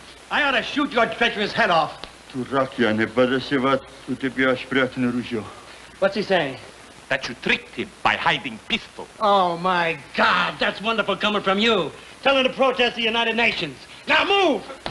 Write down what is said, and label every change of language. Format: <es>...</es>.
<en>I ought to shoot your treacherous head off.</en> <ru>Дурак, я не подошел, а у тебя спрятано ружье.</ru> <en>What's he saying? That you tricked him by hiding pistol. Oh, my God, that's wonderful coming from you. Tell him to protest the United Nations. Now move!</en>